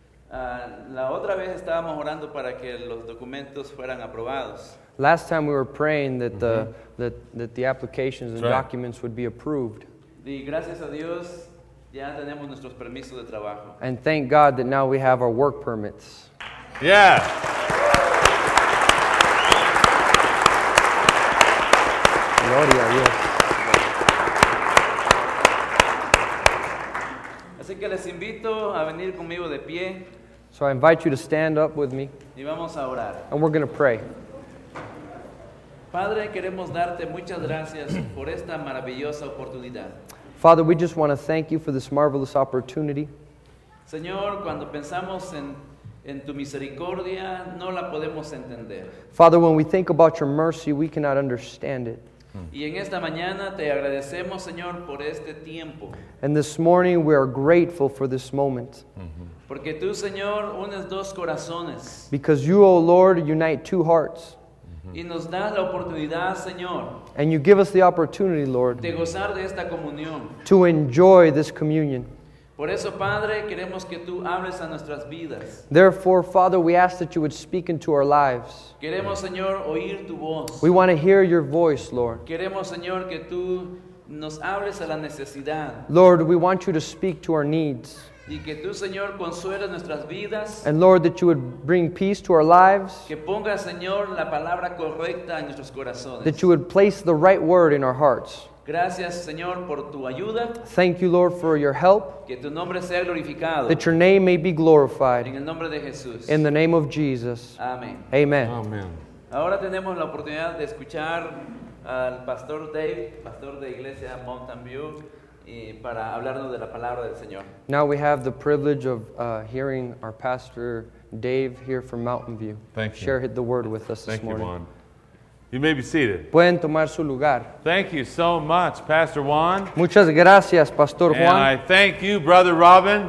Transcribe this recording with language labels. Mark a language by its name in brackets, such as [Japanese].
[Spanish] La otra vez estábamos orando para que los documentos fueran aprobados. [English] Last time we were praying that the applications and documents would be approved. [Spanish] Y gracias a Dios ya tenemos nuestros permisos de trabajo. [English] And thank God that now we have our work permits. Yeah. [Spanish] Gloria a Dios. Así que les invito a venir conmigo de pie. [English] So I invite you to stand up with me. [Spanish] Y vamos a orar. [English] And we're going to pray. [Spanish] Padre, queremos darte muchas gracias por esta maravillosa oportunidad. [English] Father, we just want to thank you for this marvelous opportunity. [Spanish] Señor, cuando pensamos en tu misericordia, no la podemos entender. [English] Father, when we think about your mercy, we cannot understand it. [Spanish] Y en esta mañana te agradecemos, Señor, por este tiempo. [English] And this morning we are grateful for this moment. [Spanish] Porque tú, Señor, unes dos corazones. [English] Because you, O Lord, unite two hearts. [Spanish] Y nos das la oportunidad, Señor. [English] And you give us the opportunity, Lord, [Spanish] de gozar de esta comunión. [English] To enjoy this communion. [Spanish] Por eso, Padre, queremos que tú hables a nuestras vidas. [English] Therefore, Father, we ask that you would speak into our lives. [Spanish] Queremos, Señor, oír tu voz. [English] We want to hear your voice, Lord. [Spanish] Queremos, Señor, que tú nos hables a la necesidad. [English] Lord, we want you to speak to our needs. [Spanish] Y que tú, Señor, consueles nuestras vidas. [English] And Lord, that you would bring peace to our lives. [Spanish] Que ponga, Señor, la palabra correcta en nuestros corazones. [English] That you would place the right word in our hearts. [Spanish] Gracias, Señor, por tu ayuda. [English] Thank you, Lord, for your help. [Spanish] Que tu nombre sea glorificado. [English] That your name may be glorified. [Spanish] En el nombre de Jesús. [English] In the name of Jesus. [Spanish] Amén. [English] Amen. Amen. [Spanish] Ahora tenemos la oportunidad de escuchar al Pastor Dave, pastor de Iglesia Mountain View, y para hablarnos de la palabra del Señor. [English] Now we have the privilege of hearing our Pastor Dave here from Mountain View. Thank you. Share the word with us this morning. Thank you, Juan. You may be seated. [Spanish] Pueden tomar su lugar. [English] Thank you so much, Pastor Juan. [Spanish] Muchas gracias, Pastor Juan. [English] And I thank you, Brother Robin.